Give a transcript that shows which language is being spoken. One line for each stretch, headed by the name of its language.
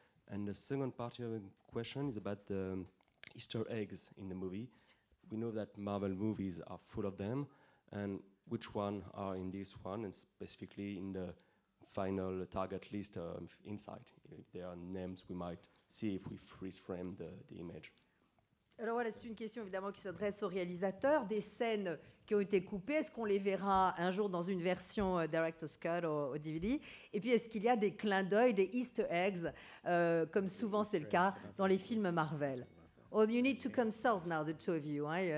English: And the second part of the question is about the Easter eggs in the movie. We know that Marvel movies are full of them, and which one are in this one, and specifically in the final target list inside. There are names we might see if we freeze frame the image.
French: Alors voilà, c'est une question évidemment qui s'adresse au réalisateur. Des scènes qui ont été coupées, est-ce qu'on les verra un jour dans une version director's cut ou DVD? Et puis est-ce qu'il y a des clins d'œil, des Easter eggs, comme souvent c'est le cas dans les films Marvel?
English: Oh, you need to consult now, the two of you.